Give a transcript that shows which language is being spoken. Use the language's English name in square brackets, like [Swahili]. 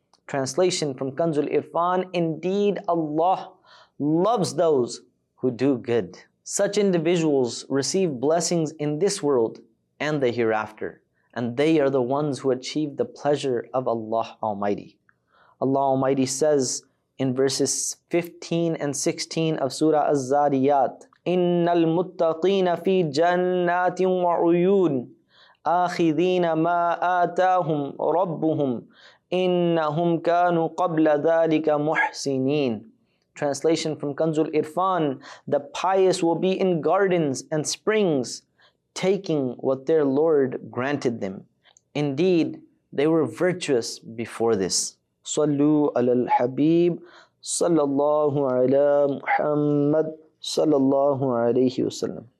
[English] Translation from Kanzul Irfan, indeed Allah loves those who do good. Such individuals receive blessings in this world and the hereafter, and they are the ones who achieve the pleasure of Allah Almighty. Allah Almighty says in verses 15 and 16 of Surah Az-Zariyat, [Arabic] إِنَّ الْمُتَّقِينَ فِي جَنَّاتٍ وَعُيُونٍ آخِذِينَ مَا آتَاهُمْ رَبُّهُمْ إِنَّهُمْ كَانُوا قَبْلَ ذَٰلِكَ مُحْسِنِينَ. [English] Translation from Kanzul Irfan, the pious will be in gardens and springs, taking what their Lord granted them. Indeed, they were virtuous before this. [Arabic] صَلُّوا عَلَى الْحَبِيبِ صَلَى اللَّهُ عَلَى مُحَمَّدْ صَلَى اللَّهُ عَلَيْهِ وَسَلَّمْ.